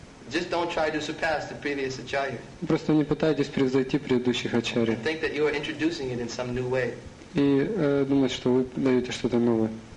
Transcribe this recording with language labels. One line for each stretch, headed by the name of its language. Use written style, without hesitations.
English: Just don't try to surpass the previous acharya.
Russian: Просто не пытайтесь превзойти предыдущих ачарий.
English: Think that you are introducing it in some new way.
Russian: И думать, что вы даете что-то новое.